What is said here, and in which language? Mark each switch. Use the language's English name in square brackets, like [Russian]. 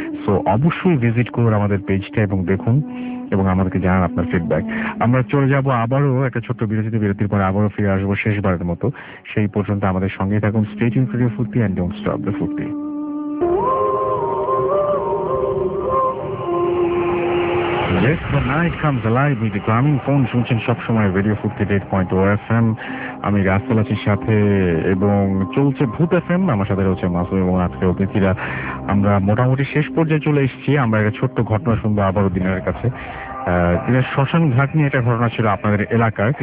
[Bangla] So অবশ্যই visit করুন আমাদের পেজটা এবং দেখুন এবং আমাদেরকে জানান আপনার ফিডব্যাক। আমরা চলে যাবো আবারও একটা ছোট্ট বিরতিতে, বিরতির পরে আবারও ফিরে আসবো শেষবারের মতো। সেই পর্যন্ত আমাদের সঙ্গে থাকুন। [English] stay tune for the footy [Bangla] অ্যান্ড ডোন্ট স্টপ দ্য ফুটি। [English] Yes, the night comes alive with the Grameen phone. [Bangla] শুনছেন সবসময় রেডিও 48.0 FM, আমি রাসেল আছি সাথে এবং চলছে ভূত FM, আমার সাথে রয়েছে মাসুম এবং আজকে অতিথিরা। আমরা মোটামুটি শেষ পর্যায়ে চলে এসেছি। আমরা একটা ছোট্ট ঘটনা শুনবো আবারও দিনের কাছে, শ্মশান ঘাট নিয়ে একটা ঘটনা ছিল আপনাদের এলাকায়।